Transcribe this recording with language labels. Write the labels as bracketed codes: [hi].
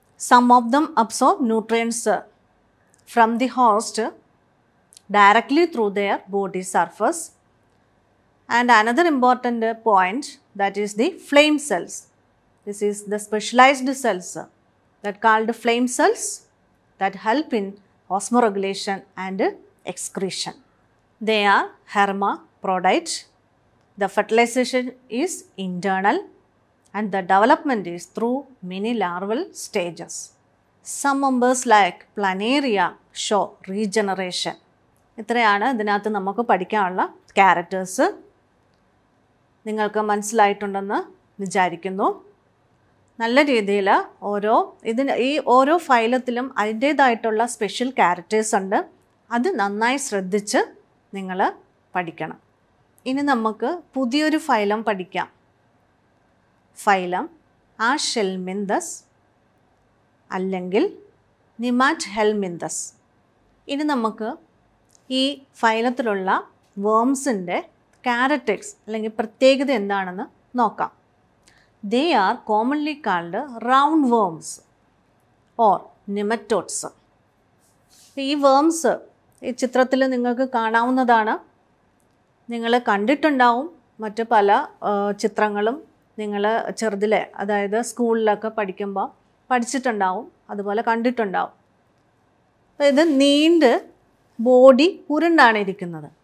[en] Some of them absorb nutrients from the host directly through their body surface. And another important point, that is the flame cells. This is the specialised cells that called flame cells that help in osmoregulation and excretion. They are hermaphrodite. The fertilization is internal and the development is through many larval stages. Some members like planaria show regeneration. [ml] ഇത്രയാണ് ഇതിനകത്ത് നമുക്ക് പഠിക്കാനുള്ള characters. നിങ്ങൾക്ക് മനസ്സിലായിട്ടുണ്ടെന്ന് വിചാരിക്കുന്നു. നല്ല രീതിയിൽ ഓരോ ഇതിന് ഈ ഓരോ ഫയലത്തിലും അതിൻ്റേതായിട്ടുള്ള സ്പെഷ്യൽ ക്യാരക്ടേഴ്സ് ഉണ്ട്. അത് നന്നായി ശ്രദ്ധിച്ച് നിങ്ങൾ പഠിക്കണം. ഇനി നമുക്ക് പുതിയൊരു ഫൈലം പഠിക്കാം. ഫൈലം ആഷെൽമിന്തസ് അല്ലെങ്കിൽ നിമാറ്റ് ഹെൽമിന്തസ്. ഇനി നമുക്ക് ഈ ഫൈലത്തിലുള്ള വേംസിൻ്റെ ക്യാരക്ടേഴ്സ് അല്ലെങ്കിൽ പ്രത്യേകത എന്താണെന്ന് നോക്കാം. [en] They are commonly called roundworms or nematodes. [ml] ഈ വേംസ് ഈ ചിത്രത്തിൽ നിങ്ങൾക്ക് കാണാവുന്നതാണ്. നിങ്ങൾ കണ്ടിട്ടുണ്ടാവും മറ്റ് പല ചിത്രങ്ങളും നിങ്ങൾ ചെറുതിലെ, അതായത് സ്കൂളിലൊക്കെ പഠിക്കുമ്പോൾ പഠിച്ചിട്ടുണ്ടാവും, അതുപോലെ കണ്ടിട്ടുണ്ടാവും. അപ്പോൾ ഇത് നീണ്ട് ബോഡി ഉരുണ്ടാണ് ഇരിക്കുന്നത്.